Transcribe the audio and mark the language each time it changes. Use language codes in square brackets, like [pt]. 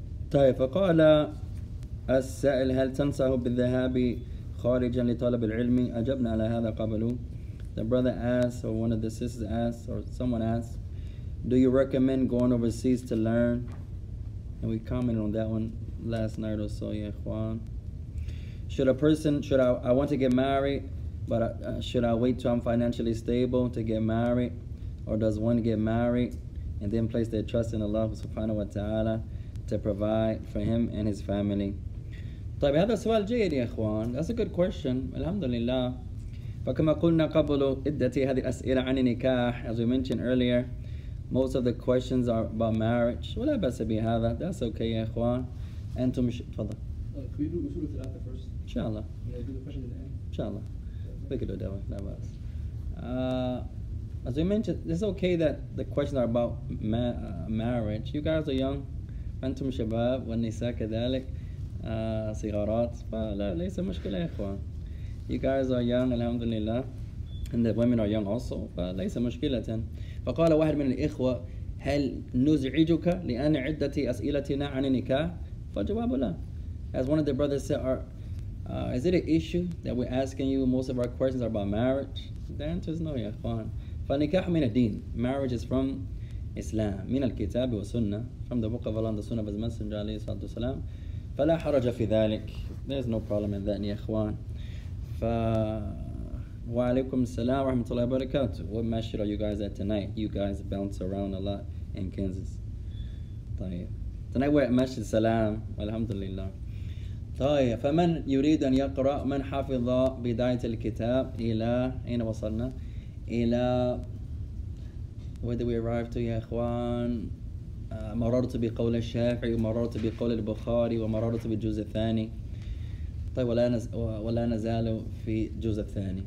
[ar] طيب فقال السائل هل تنصح بالذهاب خارجا لطلب العلم؟ أجبنا على هذا قبله. [en] The brother asked, or one of the sisters asked, or someone asked, do you recommend going overseas to learn? And we commented on that one last night or so, ya ikhwan. Should I want to get married, but should I wait till I'm financially stable to get married? Or does one get married and then place their trust in Allah subhanahu wa ta'ala to provide for him and his family? [ar] طيب هذا سؤال جيد يا اخوان. [en] That's a good question. Alhamdulillah. [ar] فكما قلنا قبل إدتي هذه الأسئلة عن النكاح. [en] As we mentioned earlier, most of the questions are about marriage. [ar] ولا بأس بهذا. [en] That's okay, [ar] يا اخوان. أنتم تفضل. [en] Can we do Usool at the end. Inshallah. We could do that one. As we mentioned, it's okay that the questions are about marriage. You guys are young. [ar] أنتم شباب والنساء كذلك صغارات. فلا ليس مشكلة يا إخوان. [en] You guys are young, alhamdulillah. And the women are young also. [ar] فليس مشكلة. فقال واحد من الإخوة هل نزعجك لأن عدتي أسئلتنا عن النكاح؟ فجواب لا. [en] As one of the brothers said, is it an issue that we're asking you most of our questions are about marriage? The answer is no, ya ikhwan. [ar] فالنكاح من الدين. [en] Marriage is from Islam. [ar] من الكتاب والسنة. [en] From the book of Allah and the Sunnah of His Messenger, alayhi salatu wasalam. [ar] فلا حرج في ذلك. [en] There's no problem in that, ya ikhwan. Wa alaykum salam wa rahmatullahi wa barakatuh. What masjid are you guys at tonight? You guys bounce around a lot in Kansas. [ar] طيب. [en] Tonight we're at Masjid Salam. Alhamdulillah. [ar] طيب فمن يريد أن يقرأ من حافظ بداية الكتاب إلى أين وصلنا إلى [en] where did we arrive to [ar] يا إخوان مررت بقول الشافعي ومررت بقول البخاري ومررت بالجزء الثاني طيب ولا نزال في الجزء الثاني.